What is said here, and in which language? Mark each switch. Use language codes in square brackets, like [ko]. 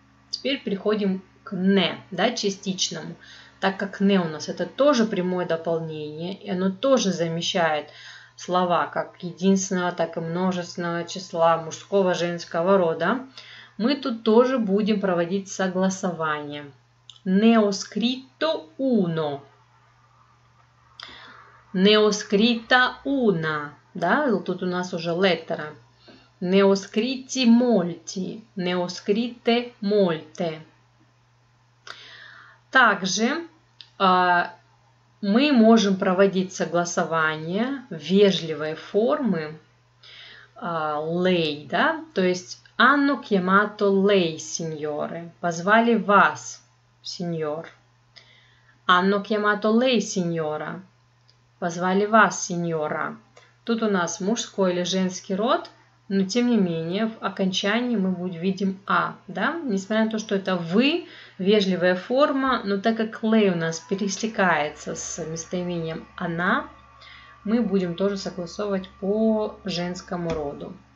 [ru] Теперь переходим к «не», да, частичному. Так как «не» у нас это тоже прямое дополнение, и оно тоже замещает слова как единственного, так и множественного числа мужского, женского рода, мы тут тоже будем проводить согласование. [it] «Не ho scritto uno». «Не ho scritta una». [ru] Да, тут у нас уже «lettera». [it] «Не ho scritti molti», «не ho scritte molte». [ru] Также мы можем проводить согласование вежливой формы «lei», да? То есть [it] «hanno chiamato lei, signore», [ru] «позвали вас, сеньор». [it] «Hanno chiamato lei, signora», [ru] Позвали вас, сеньора. Тут у нас мужской или женский род, но тем не менее в окончании мы видим «а», да? Несмотря на то, что это «вы», вежливая форма, но так как «лей» у нас пересекается с местоимением «она», мы будем тоже согласовывать по женскому роду.